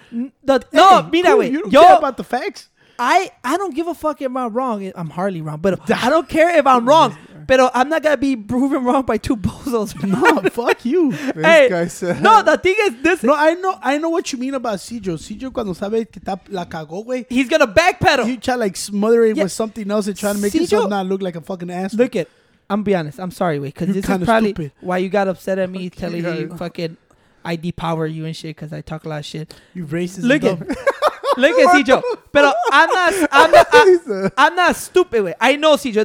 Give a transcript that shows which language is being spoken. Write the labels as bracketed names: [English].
[English] You don't care about the facts? I don't give a fuck if I'm wrong. I'm hardly wrong. But I don't care if I'm wrong. But I'm not going to be proven wrong by two bozos. No, fuck you. This guy said. No, the thing is this. No, I know what you mean about Cedro. [Spanish] Cedro, cuando sabe que está la cagó, güey. [English] He's going to backpedal. He try like smother it with something else and try to make himself not look like a fucking asshole. Look it. I'm going to be honest. I'm sorry, güey. Because this is probably stupid. Why you got upset at me telling you fucking I depower you and shit because I talk a lot of shit. You racist. Look it. Look at Cedro. But I'm not stupid, güey. I know Cedro.